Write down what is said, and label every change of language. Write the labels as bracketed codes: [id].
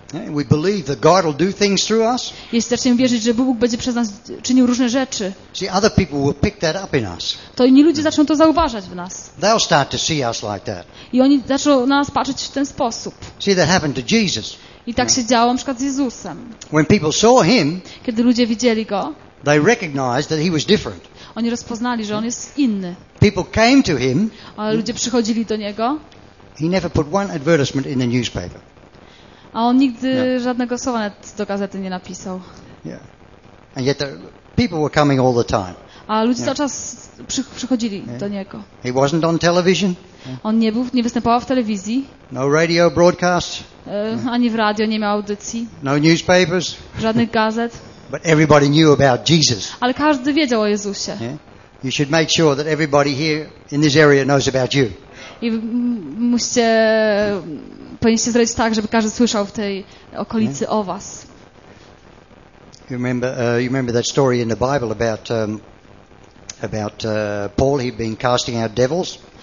[en] we believe that God will do things through us, [pl] jeśli zaczniemy wierzyć, że Bóg będzie przez nas czynił różne rzeczy, [en] see, other people will pick that up in us. [pl] To inni ludzie zaczną to zauważać w nas. [en] They'll start to see us like that. [pl] I oni zaczną na nas patrzeć w ten sposób. [en] See, that happened to Jesus. [pl] I tak się działo na przykład z Jezusem. [en] When people saw him, [pl] kiedy ludzie widzieli Go, [en] they recognized that he was different. [pl] Oni rozpoznali, że On jest inny. [en] People came to him. [pl] A ludzie przychodzili do Niego. [en] He never put one advertisement in the newspaper. [pl] A On nigdy żadnego słowa nawet do gazety nie napisał. [en] Yeah. And yet the people were coming all the time. [pl] A ludzie cały czas przychodzili do Niego. [en] He wasn't on television. [pl] On nie występował w telewizji. [en] No radio broadcast. [pl] Ani w radio nie miał audycji. [en] No newspapers. [pl] Żadnych gazet. [en] But everybody knew about Jesus. [pl] Ale każdy wiedział o Jezusie. [en] You should make sure that everybody here in this area knows about you. [pl] I musicie powinniście zrobić tak, żeby każdy słyszał w tej okolicy o was. [en] You remember that story in the Bible about Paul, he'd been casting out devils?